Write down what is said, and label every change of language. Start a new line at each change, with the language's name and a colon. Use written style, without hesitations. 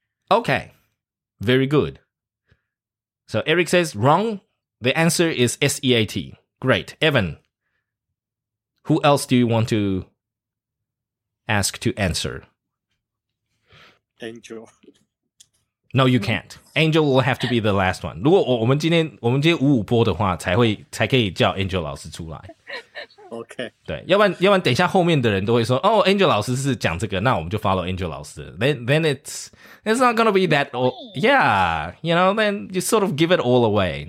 English: Okay. Very good. So Eric says wrong. The answer is S-E-A-T. Great. Evan, who else do you want to ask to answer? Angel. No, you can't. Angel will have to be the last one.
Chinese: 如果我们今天五五播的话，才可以叫 Angel 老师出来。
English: Okay.
Chinese: 对，要不然等一下后面的人都会说，哦， Angel 老师是讲这个，那我们就 follow Angel 老师。
English: Then it's not gonna be that. Yeah, you know. Then you sort of give it all away.